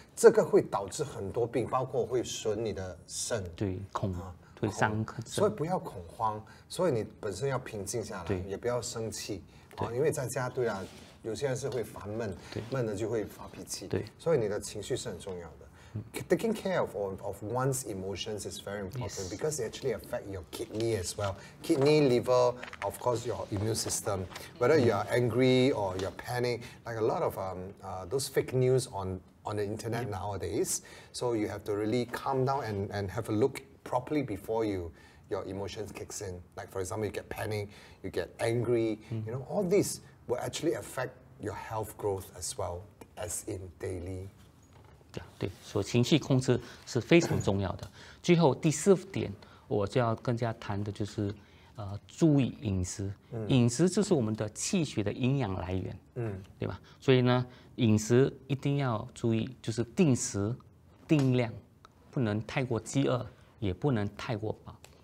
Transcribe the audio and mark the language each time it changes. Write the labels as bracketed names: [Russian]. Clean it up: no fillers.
[Chinese] 这个会导致很多病，包括会损你的肾，对，恐啊，会伤肾，所以不要恐慌，所以你本身要平静下来，也不要生气啊，因为在家对啊，有些人是会烦闷，闷了就会发脾气，对，所以你的情绪是很重要的。 [English] taking care of one's emotions is very important, yes, because it actually affects your kidney as well. Kidney, liver, of course, your immune system. Whether you are angry or you're panic, like a lot of those fake news on the internet nowadays. So you have to really calm down and have a look properly before your emotions kicks in. Like, for example, you get panic, you get angry, you know, all this will actually affect your health growth as well, as in daily. [Chinese] 对，所以情绪控制是非常重要的。最后第四点，我就要更加谈的就是，注意饮食。饮食就是我们的气血的营养来源，对吧？所以呢，饮食一定要注意，就是定时、定量，不能太过饥饿，也不能太过饱。